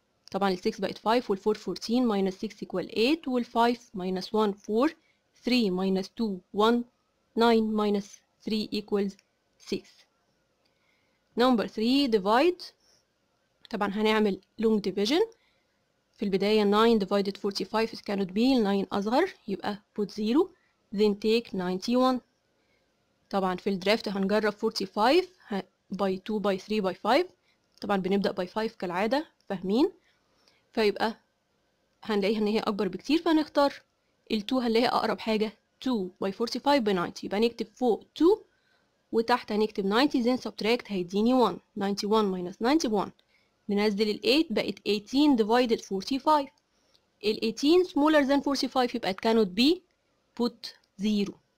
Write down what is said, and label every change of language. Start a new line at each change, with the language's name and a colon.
Arabic: طبعا ال 6 بقت 5 وال 4 14 minus 6 equal 8 وال 5 minus 1 4 3 minus 2 1 9 minus 3 equals 6.
English: Number 3, divide.
Arabic: طبعا هنعمل long division. في البداية 9 divided 45
English: cannot be,
Arabic: 9 أصغر يبقى
English: put 0, then take 91.
Arabic: طبعا في الدرافت هنجرب 45 by 2 by 3 by 5. طبعا بنبدأ by 5 كالعادة فاهمين، فيبقى هنلاقيها ان هي اكبر بكتير فهنختار ال2، هنلاقيها اقرب حاجة 2 by 45 by 90، يبقى نكتب فوق 2 وتحت هنكتب 90،
English: then subtract
Arabic: هيديني 1. 91 minus 91 ننزل ال8 بقت 18 divided 45. ال18 smaller than 45 يبقى
English: it cannot be, put 0.